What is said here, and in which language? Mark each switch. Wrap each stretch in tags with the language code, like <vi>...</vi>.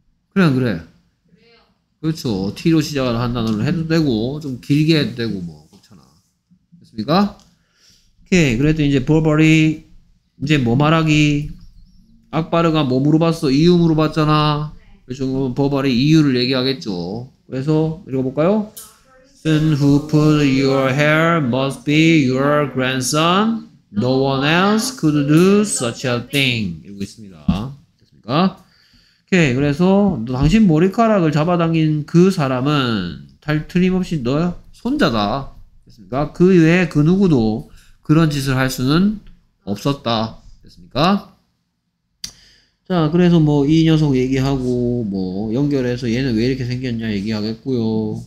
<ko>그냥 그래. 그렇죠. t로 시작하는 한 단어를 해도 되고 좀 길게 해도 되고 뭐 그렇잖아. 됐습니까? 오케이. 그래도 이제 버벌이 이제 뭐 말하기? 악바르가 뭐 물어봤어? 이유 물어봤잖아. 그래서 그럼 버벌이 이유를 얘기하겠죠. 그래서 읽어볼까요?</ko> <en>Then who put your hair must be your grandson. No one else could do such a thing.</en> <ko>이러고 있습니다. 됐습니까? 오케이. 그래서 너 당신 머리카락을 잡아당긴 그 사람은 틀림없이 너의 손자다. 됐습니까? 그 외에 그 누구도 그런 짓을 할 수는 없었다. 됐습니까? 자, 그래서 뭐 이 녀석 얘기하고 뭐 연결해서 얘는 왜 이렇게 생겼냐 얘기하겠고요.</ko>